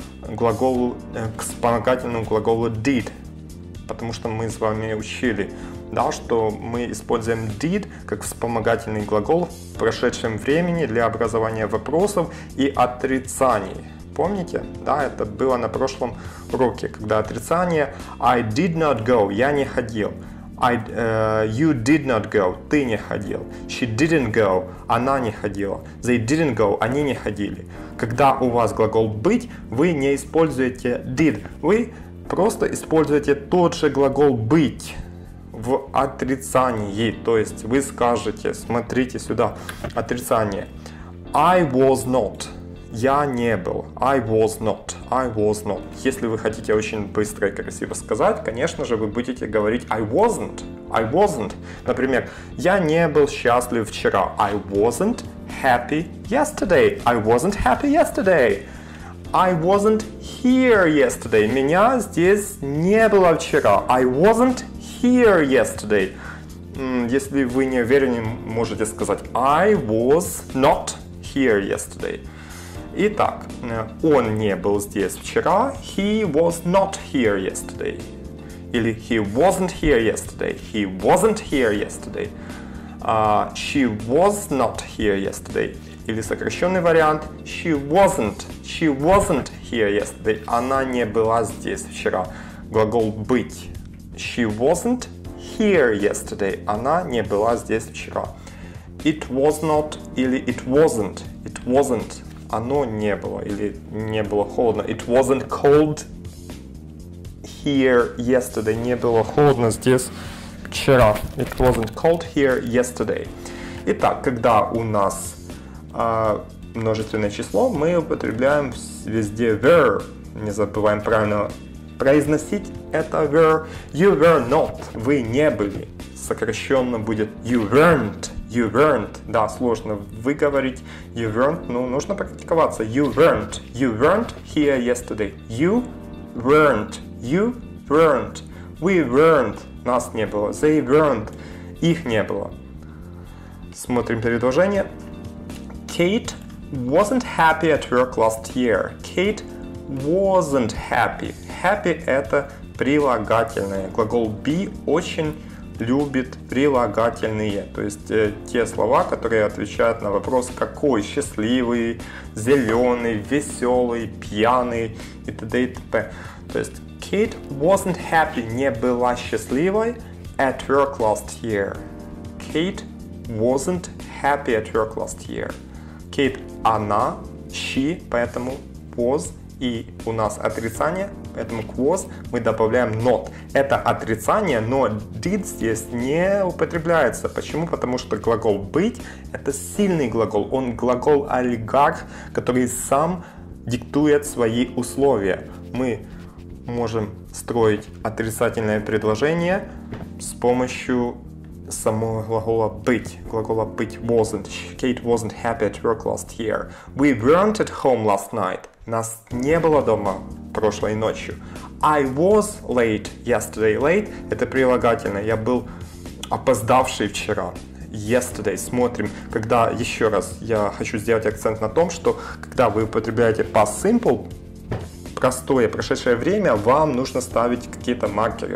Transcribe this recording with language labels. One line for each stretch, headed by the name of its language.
Russian: глаголу, к вспомогательному глаголу did, потому что мы с вами учили, да, что мы используем did как вспомогательный глагол в прошедшем времени для образования вопросов и отрицаний. Помните? Да, это было на прошлом уроке, когда отрицание
English: I did not go,
Russian: я не ходил.
English: You did not go,
Russian: ты не ходил.
English: She didn't go,
Russian: она не ходила.
English: They didn't go,
Russian: они не ходили. Когда у вас глагол быть, вы не используете did. Вы просто используете тот же глагол быть в отрицании. То есть вы скажете, смотрите сюда, отрицание.
English: I was not.
Russian: Я не был.
English: I was not. I was not.
Russian: Если вы хотите очень быстро и красиво сказать, конечно же, вы будете говорить
English: I wasn't. I wasn't.
Russian: Например, я не был счастлив вчера.
English: I wasn't happy yesterday. I wasn't happy yesterday. I wasn't here yesterday.
Russian: Меня здесь не было вчера.
English: I wasn't here yesterday.
Russian: Если вы не уверены, можете сказать
English: I was not here yesterday.
Russian: Итак, он не был здесь вчера.
English: He was not here yesterday. Или he wasn't here yesterday. He wasn't here yesterday. She was not here yesterday.
Russian: Или сокращенный вариант.
English: She wasn't. She wasn't here yesterday.
Russian: Она не была здесь вчера. Глагол быть.
English: She wasn't here yesterday.
Russian: Она не была здесь вчера.
English: It was not. Или it wasn't. It wasn't.
Russian: Оно не было или не было холодно.
English: It wasn't cold here yesterday.
Russian: Не было холодно здесь вчера.
English: It wasn't cold here yesterday.
Russian: Итак, когда у нас множественное число, мы употребляем везде were. Не забываем правильно произносить это were.
English: You were not.
Russian: Вы не были. Сокращенно будет
English: you weren't. You weren't.
Russian: Да, сложно выговорить.
English: You weren't.
Russian: Ну, нужно практиковаться.
English: You weren't. You weren't here yesterday. You weren't. You weren't. We weren't.
Russian: Нас не было.
English: They weren't.
Russian: Их не было. Смотрим предложение.
English: Kate wasn't happy at work last year. Kate wasn't happy.
Russian: Happy – это прилагательное. Глагол be очень любит прилагательные, то есть те слова, которые отвечают на вопрос какой: счастливый, зеленый, веселый, пьяный и т.д. и т.п. То есть
English: Kate wasn't happy,
Russian: не была счастливой
English: at work last year. Kate wasn't happy at work last year.
Russian: Kate она, she, поэтому was, и у нас отрицание. Поэтому к was мы добавляем not. Это отрицание, но did здесь не употребляется. Почему? Потому что глагол быть – это сильный глагол. Он глагол-олигарх, который сам диктует свои условия. Мы можем строить отрицательное предложение с помощью самого глагола быть. Глагола быть wasn't.
English: Kate wasn't happy at work last year. We weren't at home last night.
Russian: Нас не было дома прошлой ночью.
English: I was late yesterday.
Russian: Late – это прилагательное. Я был опоздавший вчера. Yesterday. Смотрим. Когда, еще раз, я хочу сделать акцент на том, что когда вы употребляете past simple, простое прошедшее время, вам нужно ставить какие-то маркеры.